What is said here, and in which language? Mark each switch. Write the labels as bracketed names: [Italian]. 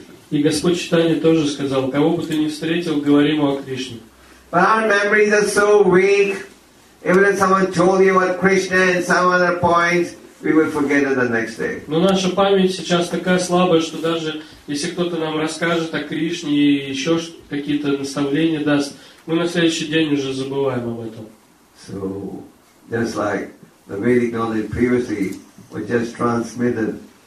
[Russian] И Господь Чайтанья тоже сказал, кого бы ты ни встретил, говори ему о Кришне. [English] But our memories are so weak. Even if someone told you about Krishna and some other points, we would forget it the next day. [Russian] Но наша память сейчас такая слабая, что даже если кто-то нам расскажет о Кришне и еще какие-то наставления даст, мы на следующий день уже забываем об этом. [English] So just like the Vedic knowledge previously was just transmitted.